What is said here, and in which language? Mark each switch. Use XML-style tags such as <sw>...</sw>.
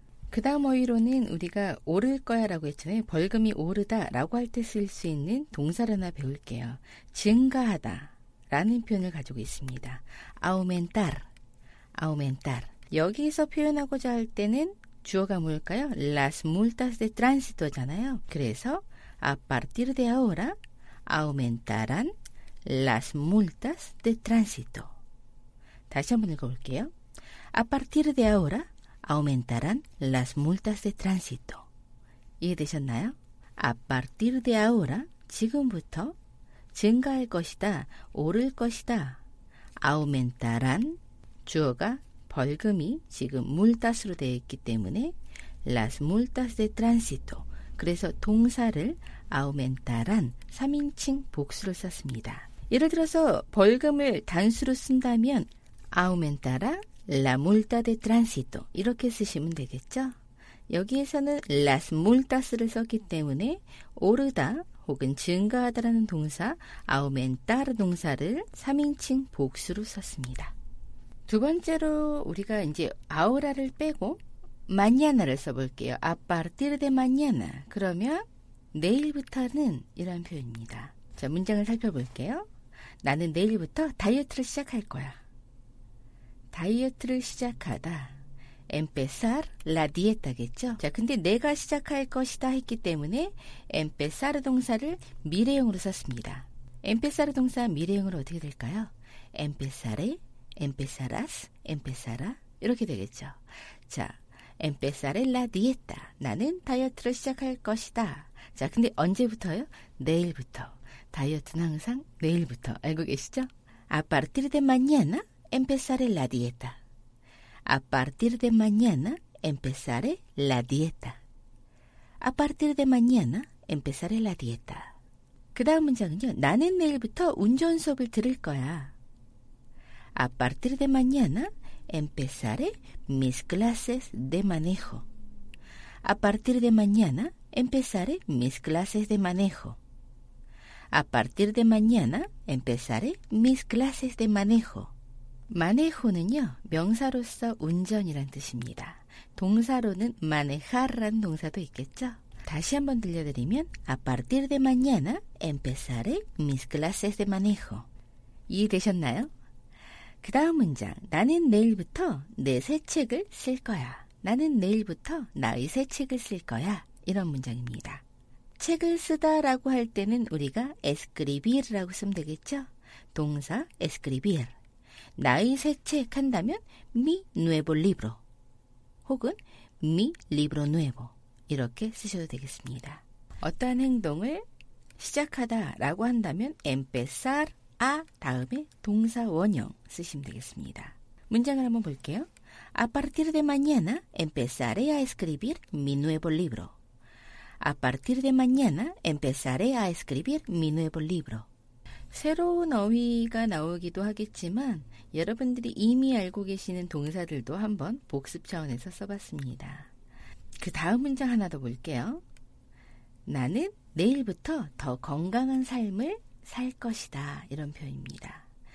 <ko>그 다음 어휘로는 우리가 오를 거야 라고 했잖아요. 벌금이 오르다 라고 할 때 쓸 수 있는 동사를 하나 배울게요. 증가하다 라는 표현을 가지고 있습니다.</ko> <es>aumentar, aumentar.</es> <ko>여기서 표현하고자 할 때는 주어가 뭘까요?</ko> <es>las multas de tránsito</es> <ko>잖아요. 그래서</ko> <es>A partir de ahora aumentarán las multas de tránsito.</es> <ko>다시 한번 읽어볼게요.</ko> <es>A partir de ahora aumentarán las multas de tránsito.</es> <ko>이해되셨나요?</ko> <es>A partir de ahora</es> <ko>지금부터 증가할 것이다, 오를 것이다. aumentarán 주어가 벌금이 지금 multas로 되어 있기 때문에</ko> <es>las multas de tránsito.</es> <ko>그래서 동사를 aumentarán 3인칭 복수를 썼습니다. 예를 들어서 벌금을 단수로 쓴다면</ko> <es>aumentará la multa de tránsito</es> <ko>이렇게 쓰시면 되겠죠. 여기에서는 las multas를 썼기 때문에 오르다 혹은 증가하다라는 동사 aumentar 동사를 3인칭 복수로 썼습니다. 두 번째로 우리가 이제 ahora를 빼고 mañana를 써볼게요.</ko> <es>A partir de mañana.</es> <ko>그러면 내일부터는 이런 표현입니다. 자, 문장을 살펴볼게요. 나는 내일부터 다이어트를 시작할 거야. 다이어트를 시작하다.</ko> <es>empezar la dieta겠죠?</es> <ko>자, 근데 내가 시작할 것이다 했기 때문에 empezar 동사를 미래형으로 썼습니다. empezar 동사 미래형으로 어떻게 될까요?</ko> <es>empezaré, empezarás, empezará.</es> <ko>이렇게 되겠죠? 자,</ko> <es>empezaré la dieta.</es> <ko>나는 다이어트를 시작할 것이다. 자, 근데 언제부터요? 내일부터. 다이어트는 항상 내일부터. 알고 계시죠?</ko> <es>A partir de mañana empezaré la dieta. A partir de mañana empezaré la dieta. A partir de mañana empezaré la dieta.</es> <ko>그 다음 문장은요. 나는 내일부터 운전 수업을 들을 거야.</ko> <es>A partir de mañana empezaré mis clases de manejo. A partir de mañana empezaré mis clases de manejo. A partir de mañana empezaré mis clases de manejo.</es> <ko>Manejo는요, 명사로서 운전이란 뜻입니다. 동사로는 manejar라는 동사도 있겠죠. 다시 한번 들려드리면</ko> <es>A partir de mañana empezaré mis clases de manejo.</es> <ko>이해되셨나요? 그 다음 문장, 나는 내일부터 내 새 책을 쓸 거야. 나는 내일부터 나의 새 책을 쓸 거야. 이런 문장입니다. 책을 쓰다라고 할 때는 우리가 escribir라고 쓰면 되겠죠? 동사 escribir. 나의 새 책 한다면</ko> <es>mi nuevo libro</es> <ko>혹은</ko> <es>mi libro nuevo</es> <ko>이렇게 쓰셔도 되겠습니다. 어떠한 행동을 시작하다라고 한다면 empezar a 다음에 동사 원형 쓰시면 되겠습니다. 문장을 한번 볼게요.</ko> <es>A partir de mañana empezaré a escribir mi nuevo libro. A partir de mañana empezaré a escribir mi nuevo libro.</es> <ko>새로운 어휘가 나오기도 하겠지만 여러분들이 이미 알고 계시는 동사들도 한번 복습 차원에서 써봤습니다. 그 다음 문장 하나 더 볼게요. 나는 내일부터 더 건강한 삶을 살 것이다. 이런 표현입니다.</ko>